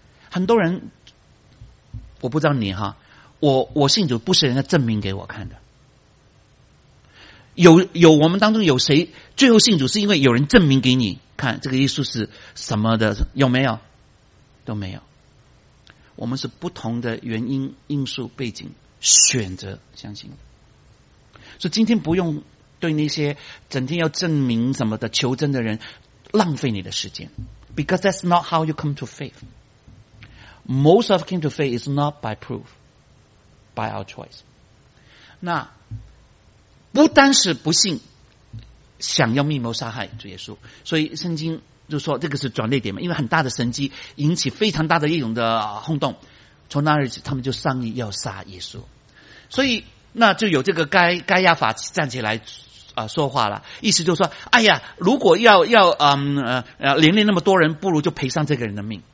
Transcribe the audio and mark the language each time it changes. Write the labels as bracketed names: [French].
[Chinese] 很多人，我不知道你哈，我信主不是人家证明给我看的，有我们当中有谁最后信主是因为有人证明给你看这个耶稣是什么的？有没有？都没有。我们是不同的原因、因素、背景选择相信，所以今天不用对那些整天要证明什么的求真的人浪费你的时间。 [English] Because that's not how you come to faith. Most of came to faith is not by proof, by our choice. [Chinese] 那不单是不信，想要密谋杀害主耶稣，所以圣经。就说这个是转捩点嘛，因为很大的神迹引起非常大的一种的轰动，从那日起他们就商议要杀耶稣。所以那就有这个该亚法站起来说话了，意思就是说，哎呀，如果连累那么多人，不如就赔上这个人的命。